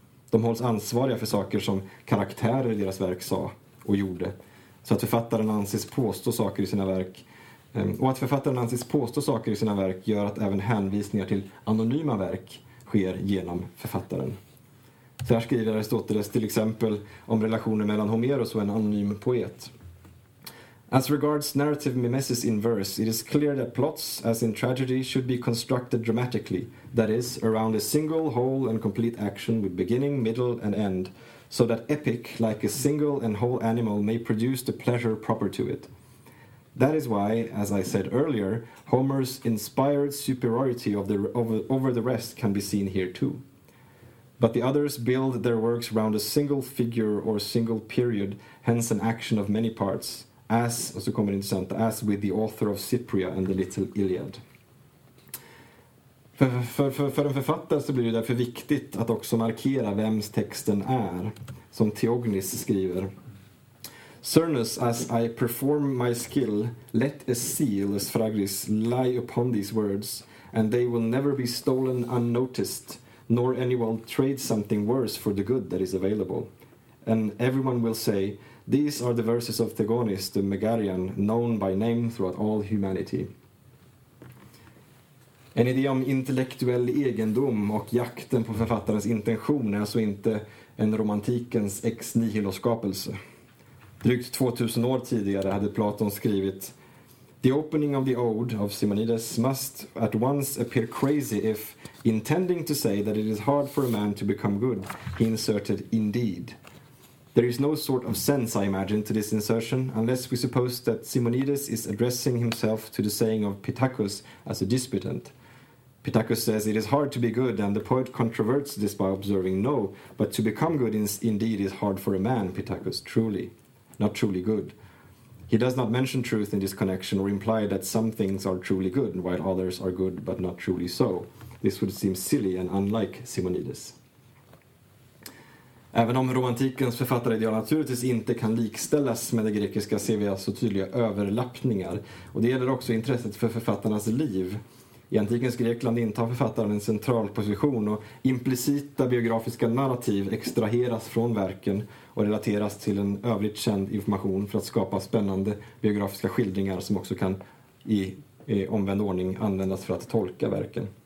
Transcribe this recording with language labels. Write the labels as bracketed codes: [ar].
[sv] De hålls ansvariga för saker som karaktärer i deras verk sa och gjorde. Så att författaren anses påstå saker i sina verk Och att författaren anses påstå saker i sina verk gör att även hänvisningar till anonyma verk sker genom författaren. Så här skriver Aristoteles till exempel om relationen mellan Homeros och en anonym poet. [en] As regards narrative mimesis in verse, it is clear that plots, as in tragedy, should be constructed dramatically, that is, around a single, whole and complete action with beginning, middle and end, so that epic, like a single and whole animal, may produce the pleasure proper to it. That is why, as I said earlier, Homer's inspired superiority over the rest can be seen here too. But the others build their works round a single figure or single period, hence an action of many parts, as, [sv] och så kommer det intressant, [en] as with the author of Cypria and the Little Iliad. [sv] För en författare så blir det därför viktigt att också markera vems texten är, som Theognis skriver. [en] Cernus, as I perform my skill, let a seal, as Phragis, lie upon these words, and they will never be stolen unnoticed, nor any will trade something worse for the good that is available. And everyone will say, these are the verses of Theognis, the Megarian, known by name throughout all humanity. [sv] En idé om intellektuell egendom och jakten på författarens intention är alltså inte en romantikens ex nihilo-skapelse. Drygt 2000 år tidigare hade Platon skrivit: [en] "The opening of the ode of Simonides must at once appear crazy if, intending to say that it is hard for a man to become good, he inserted indeed. There is no sort of sense, I imagine, to this insertion, unless we suppose that Simonides is addressing himself to the saying of Pittacus as a disputant. Pittacus says it is hard to be good, and the poet controverts this by observing, no, but to become good indeed is hard for a man, Pittacus, truly. Not truly good. He does not mention truth in this connection or imply that some things are truly good while others are good but not truly so. This would seem silly and unlike Simonides." [sv] Även om romantikens författaridéer naturligtvis inte kan likställas med det grekiska, ser vi alltså tydliga överlappningar. Och det gäller också intresset för författarnas liv. I antikens Grekland intar författaren en central position och implicita biografiska narrativ extraheras från verken och relateras till en övrigt känd information för att skapa spännande biografiska skildringar som också kan i omvänd ordning användas för att tolka verken.